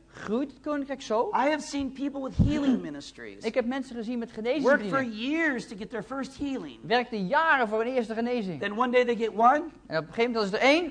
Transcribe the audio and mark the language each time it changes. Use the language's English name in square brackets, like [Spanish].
[Dutch] Groeit het koninkrijk zo? [English] I have seen people with healing ministries. [Dutch] Ik heb mensen gezien met genezingsdiensten. [English] Work for years to get their first healing. [Dutch] Werkte jaren voor hun eerste genezing. [English] Then one day they get one. [Dutch] En op een gegeven moment is er één.